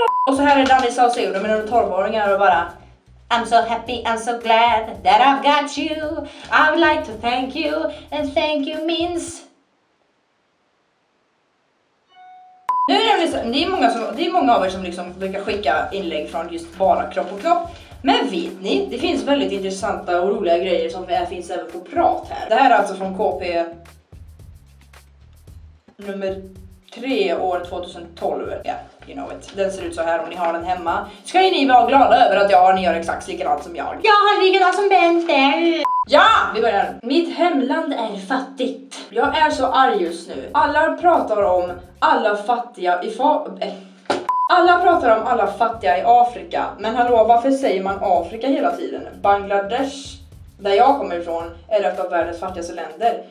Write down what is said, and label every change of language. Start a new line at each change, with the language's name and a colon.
Swedish: Och så här är Danny Salseo. De är under 12-åringar och bara.
English: I'm so happy and so glad that I've got you. I would like to thank you. And thank you means.
Swedish: Nu är det, många av er som liksom brukar skicka inlägg från just bara kropp och kropp. Men vet ni, det finns väldigt intressanta och roliga grejer som finns även på prat här. Det här är alltså från KP nummer 3 år 2012. Ja,
English: yeah, you know it.
Swedish: Den ser ut så här om ni har den hemma. Ska ju ni vara glada över att ni gör exakt likadant som jag. Jag har likadant som Bente. Ja, vi börjar. Mitt hemland är fattigt. Jag är så arg just nu. Alla pratar om alla fattiga i alla pratar om alla fattiga i Afrika. Men hallå, varför säger man Afrika hela tiden? Bangladesh, där jag kommer ifrån, är ett av världens fattigaste länder.